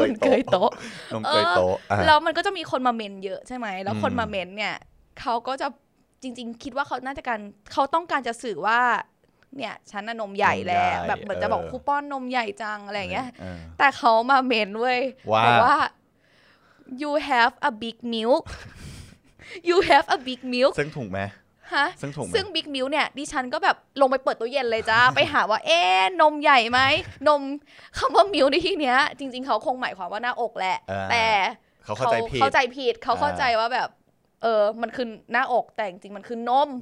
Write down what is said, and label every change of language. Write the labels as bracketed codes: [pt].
[th] เกยโต๊ะ นมเกยโต๊ะ แล้วมันก็จะมีคนมาเมนเยอะใช่ไหมแล้วคนมาเมนเนี่ยเขาก็จะจริงๆคิดว่าเขาน่าจะการเขาต้องการจะสื่อว่าเนี่ยฉันน่ะนมใหญ่แล้วแบบเหมือนจะบอกคูปองนมใหญ่จังอะไรอย่างเงี้ยแต่เขามาเมนเว้ย ว่ า [en] you have a big milkYou have a big milk [th] ซึ่งถูกไหม ฮะ ซึ่งถูก ซึ่ง big milk เนี่ยดิฉันก็แบบลงไปเปิดตู้เย็นเลยจ้า ไปหาว่าเอ๊นมใหญ่ไหมนมคำว่า milk ในที่เนี้ยจริงๆเขาคงหมายความว่าหน้าอกแหละแต่ เขาเข้าใจผิด เขาเข้าใจว่าแบบเออมันคือหน้าอกแต่จริงมันคือนม